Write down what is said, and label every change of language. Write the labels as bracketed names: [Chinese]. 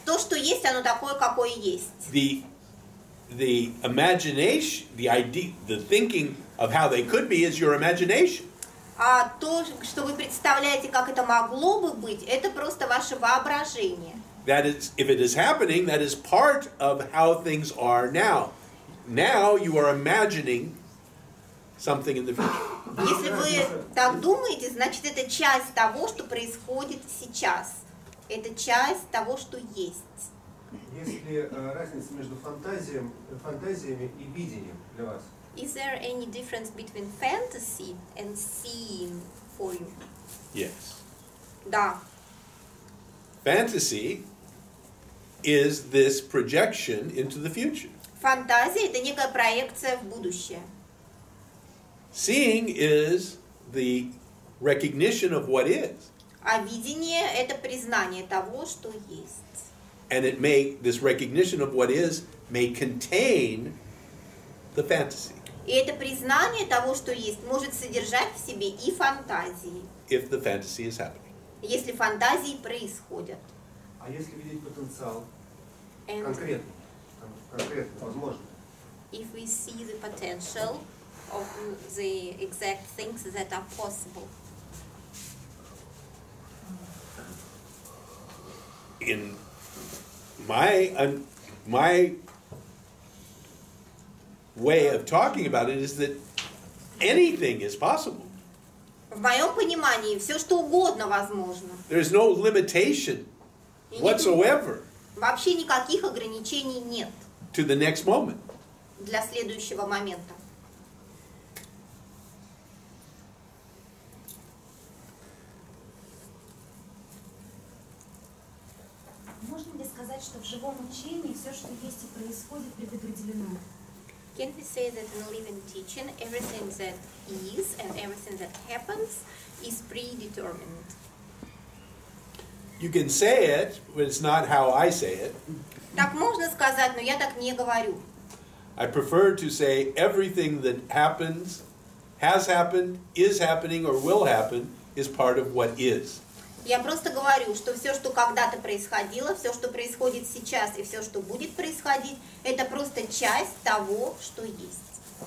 [Russian] То, что есть, оно такое, какое есть. [English] The imagination, the idea, the thinking of how they could be is your imagination. [Russian] А то, что вы представляете, как это могло бы быть, это просто ваше воображение. [English] That is, if it is happening, that is part of how things are now. Now you are imagining something in the future. [Russian] Если вы так думаете, значит, это часть того, что происходит сейчас. Это часть того, что есть. Есть ли разница между фантазиями и видением для вас? [English] Is there any difference between fantasy and seeing for you? Yes. [Russian] Да. [English] Fantasy is this projection into the future. [Russian] Фантазия – это некая проекция в будущее. [English] Seeing is the recognition of what is. [Russian] А видение – это признание того, что есть. [English] And it may, this recognition of what is may contain the fantasy. [Russian] И это признание того, что есть, может содержать в себе и фантазии. [English] If the fantasy is happening. [Russian] Если фантазии происходят. А если видеть потенциал конкретно, возможно? [English] If we see the potential of the exact things that are possible. In my way of talking about it is that anything is possible. [Russian] В моем понимании все что угодно возможно. [English] There is no limitation whatsoever. [Russian] Вообще никаких ограничений нет. [English] To the next moment. [Russian] Для следующего момента. сказать, что в живом учении все, что есть и происходит, предопределено. [English] Can we say that in living teaching, everything that is and everything that happens is predetermined? You can say it, but it's not how I say it. [Russian] Так можно сказать, но я так не говорю. [English] I prefer to say everything that happens, has happened, is happening, or will happen, is part of what is. [Russian] Я просто говорю, что все, что когда-то происходило, все, что происходит сейчас, и все, что будет происходить, это просто часть того, что есть.